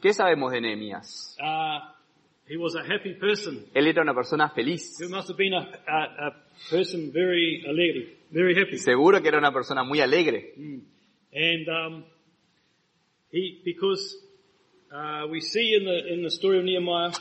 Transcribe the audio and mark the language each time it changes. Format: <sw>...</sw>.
<es>¿Qué sabemos de Nehemías?</es> <en>He was a happy person.</en> <es>Él era una persona feliz.</es> <en>He must have been a person very</en> <es>alegre,</es> <en>very happy.</en> <es>Seguro que era una persona muy alegre.</es> <en>And because we see in the story of Nehemiah,</en>